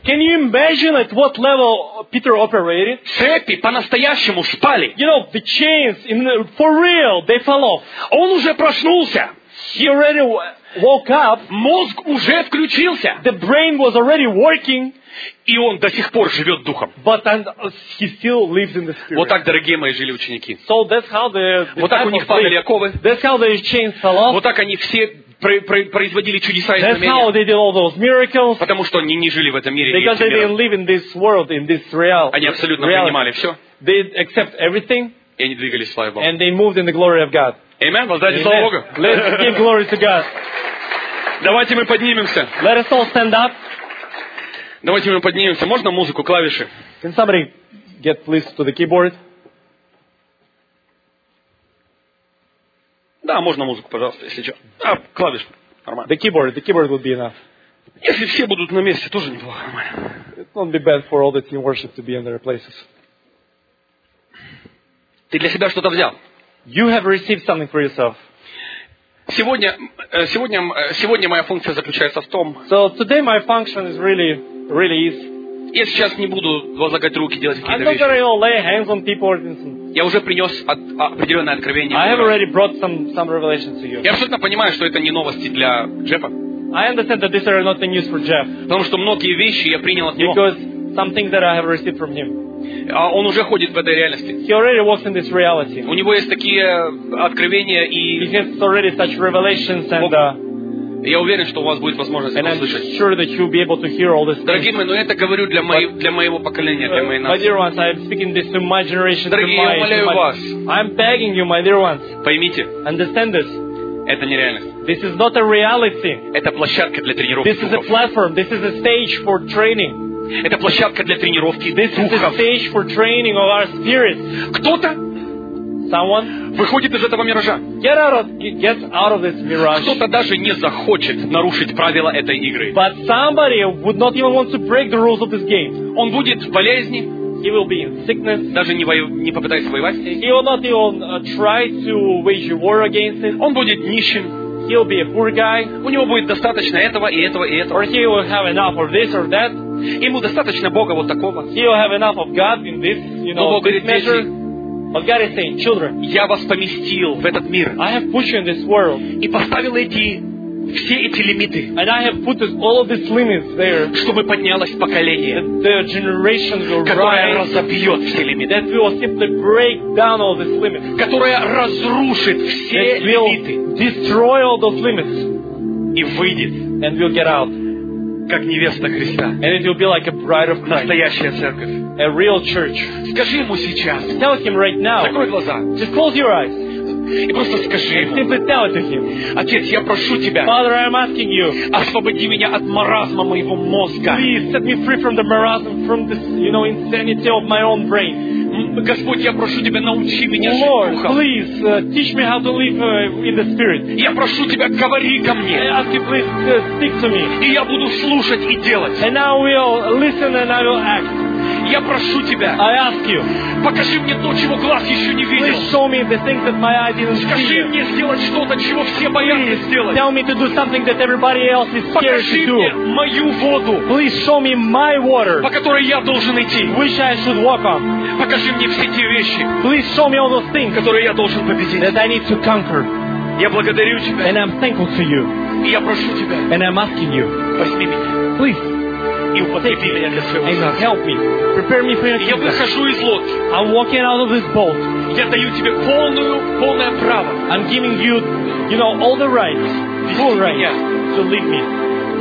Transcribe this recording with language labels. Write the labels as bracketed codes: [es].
[en] Can you imagine at what level Peter operated? [ru] Цепи по-настоящему спали. [en] You know, the chains in the, for real, they fell off. [ru] Он уже проснулся. [en] He already woke up. [ru] Мозг уже включился. [en] The brain was already working. [ru] И он до сих пор живет духом. [en] But he still lives in the spirit. [ru] Вот так, дорогие мои, жили ученики. [en] So that's how the [ru] вот так у них падали оковы. [en] That's how the chains fell off. [ru] Вот так они все производили чудеса и знамения. [en] That's how they did all those miracles. [ru] Потому что они не жили в этом мире. [en] Because they didn't live in this world, in this reality. [ru] Они абсолютно принимали все. [en] They accept everything. [ru] И они двигались в славе Бога. [en] And they moved in the glory of God. [ru] Amen. Воздайте слава Богу. [en] Let's give glory to God. [ru] Давайте мы поднимемся. [en] Let us all stand up. [ru] Давайте мы поднимемся. Можно музыку, клавиши? [en] Can somebody get please to the keyboard? [ru] Да, можно музыку, пожалуйста, если что. А, клавиш. Нормально. [en] The keyboard would be enough. [ru] Если все будут на месте, тоже неплохо. Нормально. [en] It won't be bad for all the team worship to be in their places. [ru] Ты для себя что-то взял? [en] You have received something for yourself. [ru] Сегодня моя функция заключается в том... [en] So today my function is really... Really is. [ru] Я сейчас не буду возлагать руки, делать какие-то вещи. [en] I'm not going to lay hands on people. [ru] Я уже принес определенное откровение. [en] I have already brought some revelation to you. [ru] Я абсолютно понимаю, что это не новости для Джеффа. [en] I understand that these are not the news for Jeff. [ru] Потому что многие вещи я принял от него. [en] Because some things that I have received from him. [ru] Он уже ходит в этой реальности. [en] He already walks in this reality. [ru] У него есть такие откровения и. [en] He has already such revelations and. [ru] Я уверен, что у вас будет возможность [en] and [ru] его услышать. [en] Sure that you'll be able to hear all this. [ru] Дорогие мои, но это говорю для моего поколения, для моей нации. [en] My dear ones, I'm speaking this to my generation. [ru] Дорогие, я умоляю вас. [en] I'm begging you, my dear ones. [ru] Поймите. [en] Understand this. [ru] Это нереальность. [en] This is not a reality. [ru] Это площадка для тренировки. [en] This is a platform. This is a stage for training. [ru] Это площадка для тренировки [en] this [ru] духов. [en] This is a stage for training of our spirits. [ru] Кто-то [en] someone [ru] выходит из этого миража. [en] Get out of this mirage. [ru] Кто-то даже не захочет нарушить правила этой игры. [en] But somebody would not even want to break the rules of this game. [ru] Он будет в болезни. [en] He will be in sickness. [ru] Даже не попытается воевать. [en] He will not even try to wage a war against it. [ru] Он будет нищим. [en] He'll be a poor guy. [ru] У него будет достаточно этого и этого и этого. [en] Or he will have enough of this or that. [ru] Ему достаточно Бога вот такого. [en] He will have enough of God in this, you know, this measure. But God is saying, children, [ru] я вас поместил в этот мир. [en] I have put you in this world. [ru] И поставил все эти лимиты. [en] And I have put all of these limits there. [ru] Чтобы поднялось поколение. [en] The generation will rise. [ru] Которое разобьет все лимиты. [en] That will simply break down all these limits. [ru] Которое разрушит все лимиты. [en] Destroy all those limits. [ru] И выйдет. [en] And will get out. [ru] Как невеста Христа. [en] And it will be like a bride of Christ. [ru] Настоящая церковь. [en] A real church. [ru] Скажи ему сейчас. [en] Tell him right now. [ru] Закрой глаза. [en] Just close your eyes. [ru] И просто скажи ему. [en] Simply tell it to him. [ru] Отец, я прошу тебя. [en] Father, I'm asking you. [ru] Освободи меня от маразма моего мозга. [en] Please set me free from the marasm, from this, you know, insanity of my own brain. [ru] Господь, я прошу тебя, научи меня жить духом. [en] Lord, please teach me how to live in the spirit. [ru] Я прошу тебя, говори ко мне. [en] I ask you, please speak to me. [ru] И я буду слушать и делать. [en] And I will listen and I will act. [ru] Я прошу тебя. [en] I ask you. [ru] Покажи мне то, чего глаз еще не видел. [en] Please show me the things that my eyes didn't see. [ru] Скажи мне сделать что-то, чего все боятся сделать. [en] Tell me to do something that everybody else is scared [ru] Покажи [en] to do. [ru] Покажи мне мою воду. [en] Please show me my water. [ru] По которой я должен идти. [en] Which I should walk on. [ru] Покажи мне все те вещи. [en] Please show me all those things. [ru] Которые я должен победить. [en] That I need to conquer. [ru] Я благодарю тебя. [en] And I'm thankful to you. [ru] И я прошу тебя. [en] And I'm asking you. [ru] Возьми меня. [en] Please. And help me. Prepare me for your kingdom. [ru] Я выхожу из лодки. [en] I'm walking out of this boat. [ru] Я даю тебе полную, полное право. [en] I'm giving you, you know, all the rights, full rights to lead me.